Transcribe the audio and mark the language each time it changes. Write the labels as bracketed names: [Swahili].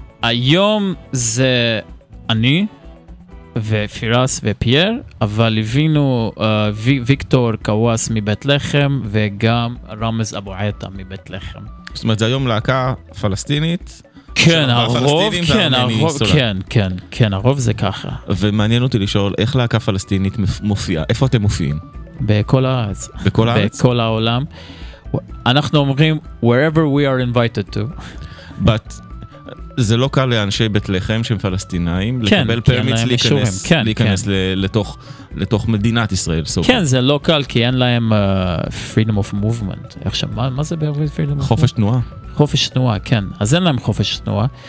[Hebrew] היום זה אני ופירס ופייר, אבל הבינו ויקטור קוואס מבית לחם וגם רמז אבו עטה מבית לחם. זאת אומרת, זה היום להקה פלסטינית? כן, הרוב, כן, הרוב, כן, כן, כן, הרוב זה ככה. ומעניין אותי לשאול, איך להקה פלסטינית מופיעה? איפה אתם מופיעים? בכל הארץ. בכל הארץ? בכל העולם. אנחנו אומרים [English] wherever we are invited to, [Hebrew] but זה לא קל לאנשי בית לחם שהם פלסטינאים לקבל פרמיץ להיכנס לתוך מדינת ישראל. כן, זה לא קל כי אין להם [English] freedom of movement. [Hebrew] עכשיו, מה זה בערבית [English] freedom of movement? [Hebrew] חופש תנועה. חופש תנועה, כן. אז אין להם חופש תנועה.